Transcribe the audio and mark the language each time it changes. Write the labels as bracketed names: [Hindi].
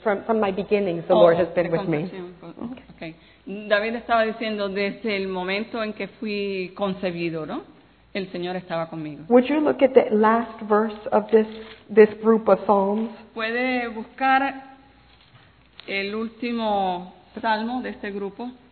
[English] From my beginnings, the Lord has been with me. Okay. [Spanish] David estaba diciendo desde el momento en que fui concebido, ¿no? El Señor estaba conmigo. [English] Would you look at the last verse of this group of psalms? [Spanish] ¿Puede buscar el último salmo de este grupo?